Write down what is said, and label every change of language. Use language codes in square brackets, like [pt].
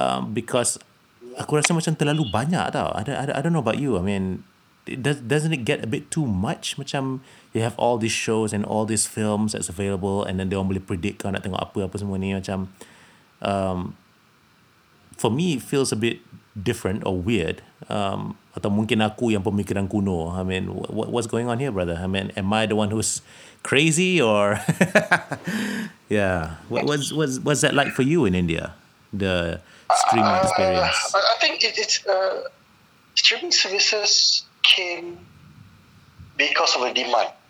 [en] Because [ms] aku rasa macam terlalu banyak tau. [en] I don't know about you. I mean, doesn't it get a bit too much? Macam you have all these shows and all these films that's available, and then they don't really predict [ms] kau nak tengok apa-apa semua ni. [en] Macam, for me, it feels a bit different or weird. [ms] Atau mungkin aku yang pemikiran kuno. [en] I mean, what's going on here, brother? I mean, am I the one who's crazy or... yeah. What's that like for you in India? The streaming experience? I think it's streaming services came because of a demand.